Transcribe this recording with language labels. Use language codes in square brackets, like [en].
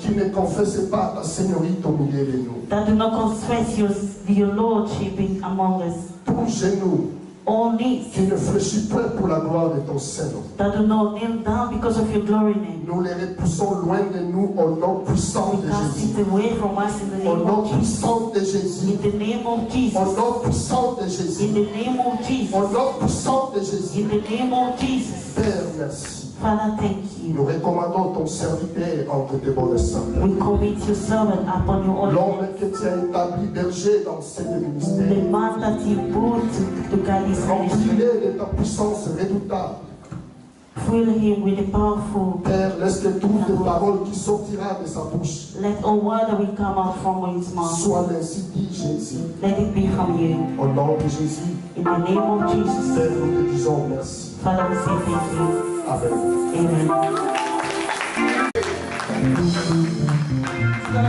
[fr] qui ne confesse pas la seigneurie au milieu de nous. [en] That do not confess your lordship among us. [fr] Tout genou. [en] All knees. [fr] Qui ne fléchit pas pour la gloire de ton Seigneur. [en] That do not kneel down because of your glory name. [fr] Nous les repoussons loin de nous au nom puissant de Jésus. [en] We cast it away from us in the name of Jesus. [fr] Au nom puissant de Jésus. [en] In the name of Jesus. [fr] Au nom puissant de Jésus. [en] In the name of Jesus. [fr] Au nom puissant de Jésus. [en] In the name of Jesus. [fr] Père, merci. [en] Father, thank you. [fr] Nous recommandons ton serviteur entre tes bonnes mains. [en] We commit your servant upon your own. [fr] L'homme que tu as établi berger dans ce ministère. [en] The man that you put to guide his ministry. [fr] Remplis-le de ta puissance redoutable. [en] Fill him with the powerful. [fr] Père, laisse que toute parole qui sortira de sa bouche. [en] Let all word that will come out from his mouth. [fr] Soit ainsi dit, Jésus. [en] Let it be from you. [fr] Au nom de Jésus. [en] In the name of Jesus. [fr] Père, nous te disons merci. [en] Father, we say thank you. Amen.